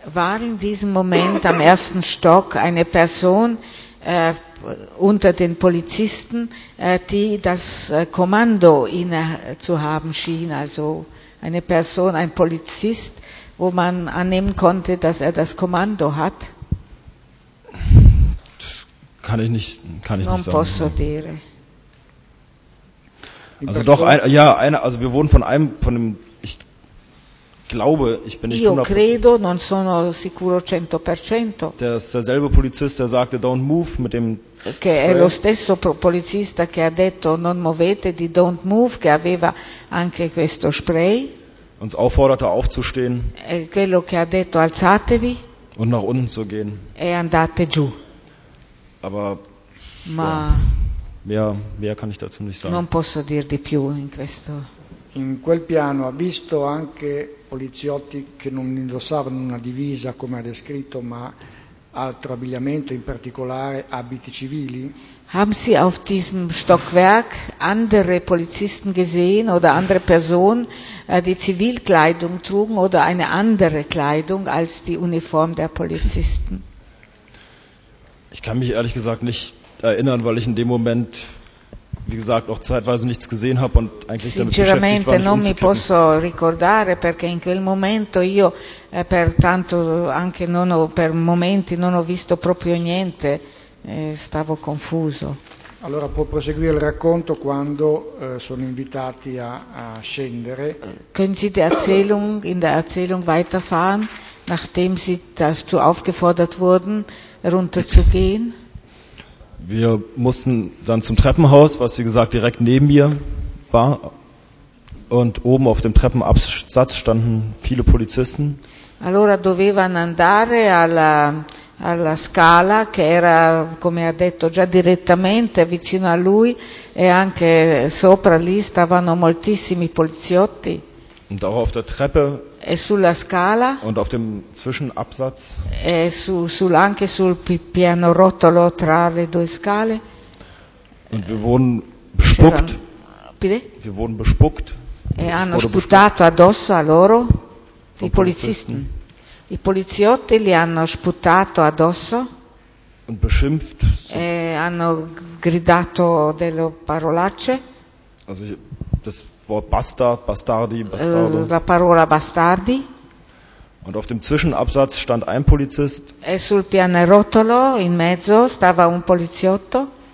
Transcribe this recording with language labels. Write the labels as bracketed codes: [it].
[de] War in diesem Moment am ersten Stock eine Person unter den Polizisten, die das Kommando inne zu haben schien, also eine Person, ein Polizist, wo man annehmen konnte, dass er das Kommando hat. Kann ich nicht sagen. [it] Non posso dire. [de] Also doch eine, also wir wurden von dem ich glaube, ich bin nicht [it] 100%. Io credo, non sono sicuro 100%. [de] Der ist derselbe Polizist, der sagte [en] don't move [de] mit dem [it] che è lo stesso polizista che ha detto non muovete di [en] don't move, [it] che aveva anche questo spray. [de] Uns aufforderte aufzustehen. [it] Quello che ha detto alzatevi. [de] Und nach unten zu gehen. [it] E andate giù. [de] Aber [it] ma [de] mehr kann ich dazu nicht sagen. [it] Non posso dir di più in questo. In quel piano ha visto anche poliziotti che non indossavano una divisa come ha descritto, ma altro abbigliamento, in particolare abiti civili. [de] Haben Sie auf diesem Stockwerk andere Polizisten gesehen oder andere Personen, die Zivilkleidung trugen oder eine andere Kleidung als die Uniform der Polizisten? Ich kann mich ehrlich gesagt nicht erinnern, weil ich in dem Moment, wie gesagt, auch zeitweise nichts gesehen habe und eigentlich damit beschäftigt war, nicht umzukippen. [it] Sinceramente non mi posso ricordare, perché in quel momento io per tanto anche non ho, per momenti non ho visto proprio niente, stavo confuso. Allora può proseguire il racconto quando sono invitati a scendere. [de] Können Sie in der Erzählung weiterfahren, nachdem Sie dazu aufgefordert wurden, runterzugehen? Wir mussten dann zum Treppenhaus, was wie gesagt direkt neben mir war. Und oben auf dem Treppenabsatz standen viele Polizisten. [it] Allora dovevano andare alla alla scala che era, come ha detto, già direttamente vicino a lui, e anche sopra lì stavano moltissimi poliziotti. [de] Und auch auf der Treppe [it] e sulla scala [de] und auf dem Zwischenabsatz [it] e anche sul pianerottolo tra le due scale. [de] Und wir wurden bespuckt. Wir wurden bespuckt. [it] E hanno sputato addosso a loro i polizisten. I poliziotti li hanno sputato addosso. [de] Und beschimpft. [it] E hanno gridato delle parolacce. [de] Also ich, das Wort Bastard, Bastardi, [it] Bastardo. La parola bastardi. [de] Und auf dem Zwischenabsatz stand ein Polizist. [it] E sul pianerottolo in mezzo stava un poliziotto.